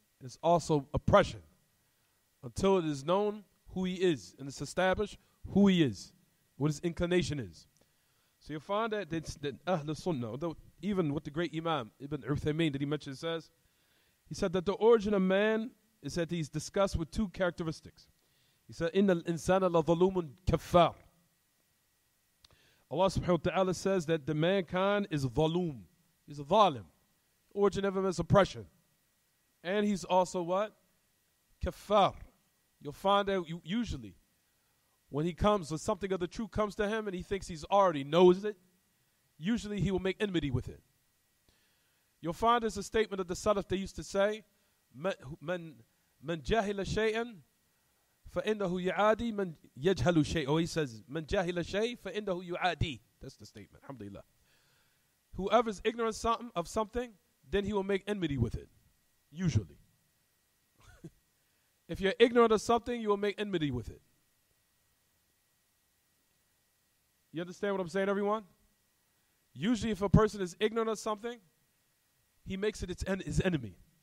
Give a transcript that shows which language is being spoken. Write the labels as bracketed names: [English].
[English] It's also oppression. Until it is known who he is. And it's established who he is. What his inclination is. So you'll find that Ahl Sunnah, although even with the great Imam Ibn Uthaymeen that he mentioned, says, he said that the origin of man is that he's discussed with two characteristics. He said, [Arabic] إِنَّ الْإِنسَانَ لَظَلُومٌ كَفَّارٌ. [English] Allah subhanahu wa ta'ala says that the mankind is zalum. He's a zalim. Origin of him is oppression. And he's also what? Kafar. You'll find that usually when he comes, when something of the truth comes to him and he thinks he's already knows it, usually he will make enmity with it. You'll find there's a statement of the Salaf they used to say, [Arabic] من جاهل شيئا فإنه يعادي من يجهل شيئا. [English] Oh, he says, [Arabic] من جاهل شيئا فإنه يعادي. [English] That's the statement, alhamdulillah. Whoever's ignorant of something, then he will make enmity with it, usually. If you're ignorant of something, you will make enmity with it. You understand what I'm saying, everyone? Usually if a person is ignorant of something, he makes it his enemy.